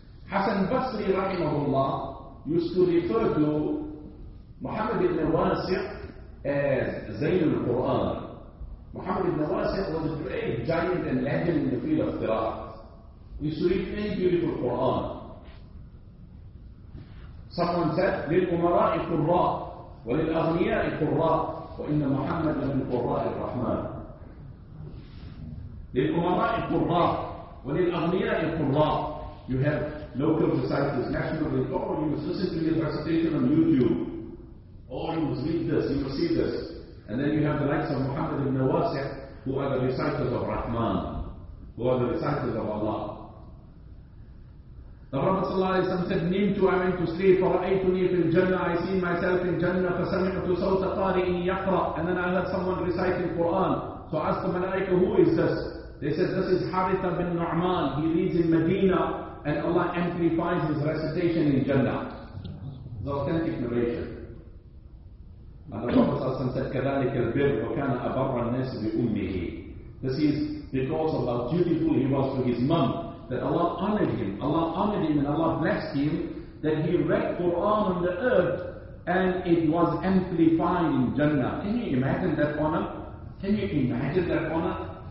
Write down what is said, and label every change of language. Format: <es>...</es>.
<en>Hasan Basri rahimahullah used to refer to Muhammad ibn Wasi' as Zayn al-Qur'an. Muhammad ibn Wasi' was a great giant and legend in the field of qira'at. We used to read many beautiful Qur'an. Someone said,</en> <ar>لِلْأُمَرَاءِ قُرَّاءِ وَلِلْأَغْنِيَاءِ قُرَّاءِ وَإِنَّ مُحَمَّدْ لَمِنْ قُرَّاءِ الرَّحْمَنِ لِلْأُمَرَاءِ قُرَّاءِ وَلِلْأَغْنِيَاءِ قُرَّاءِ.</ar> <en>You have local societies, national record, you must listen to the recitation on YouTube. Oh, you must read this, you must see this. And then you have the likes of Muhammad ibn Wasi', who are the reciters of Rahman, who are the reciters of Allah. The Prophet sallallahu alayhi wa sallam said, Nimtu, I went to sleep, for</en> <ar>ra'aytuni fil jannah,</ar> <en>I see myself in Jannah,</en> <ar>fasami'tu sawta qari'in yaqra',</ar> <en>and then I heard someone reciting Quran. So I asked the malaika, who is this? They said, this is Haritha bin Nu'man, he reads in Medina, and Allah amplifies his recitation in Jannah. The authentic narration. And the Prophet said,</en> <ar>كَذَلِكَ الْبِرْ وَكَانَ أَبَرَّ النَّاسِ بِأُمِّهِ.</ar> <en>This is because of how dutiful he was to his mom, that Allah honored him and Allah blessed him, that he read Quran on the earth and it was amplified in Jannah. Can you imagine that honor? Can you imagine that honor?</en>